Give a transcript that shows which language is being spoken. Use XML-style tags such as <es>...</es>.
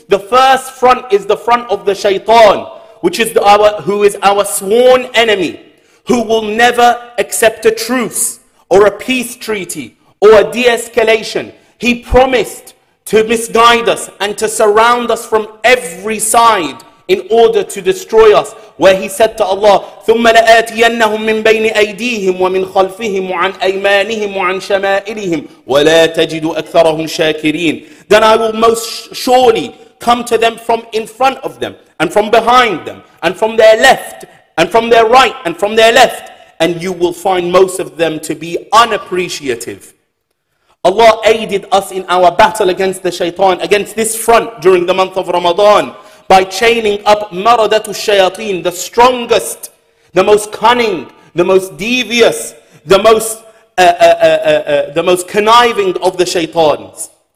<en>The first front is the front of the shaitan, which is our sworn enemy, who will never accept a truce or a peace treaty or a de-escalation. He promised to misguide us and to surround us from every side in order to destroy us. Where he said to Allah,</en> <ar>ثُمَّ لَآتِيَنَّهُمْ مِنْ بَيْنِ أَيْدِيهِمْ وَمِنْ خَلْفِهِمْ وَعَنْ أَيْمَانِهِمْ وَعَنْ شَمَائِلِهِمْ وَلَا تَجِدُ أَكْثَرَهُمْ شَاكِرِينَ.</ar> <en>Then I will most surely come to them from in front of them, and from behind them, and from their left, and from their right, and from their left, and you will find most of them to be unappreciative. Allah aided us in our battle against the shaitan, against this front during the month of Ramadan, by chaining up maradatu shayateen, the strongest, the most cunning, the most devious, the most conniving of the shaitans.</en>